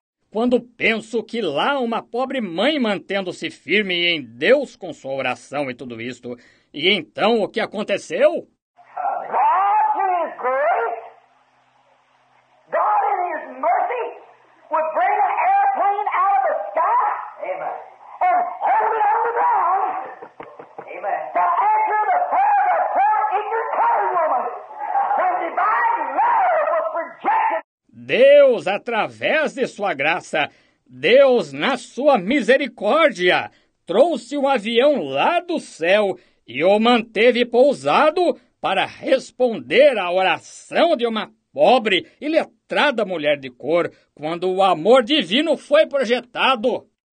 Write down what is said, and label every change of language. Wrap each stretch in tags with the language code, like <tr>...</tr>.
<pt>Quando penso que lá uma pobre mãe mantendo-se firme em Deus com sua oração e tudo isto. E então o que aconteceu?</pt> <en>God in His grace, God in His mercy, would bring an airplane out of the sky. Amen. And hold it on the ground. Amen. To answer the prayer of a poor injured colored woman. When divine love was projected.</en> <pt>Deus, através de sua graça, Deus, na sua misericórdia, trouxe um avião lá do céu e o manteve pousado para responder à oração de uma pobre e letrada mulher de cor quando o amor divino foi projetado.</pt>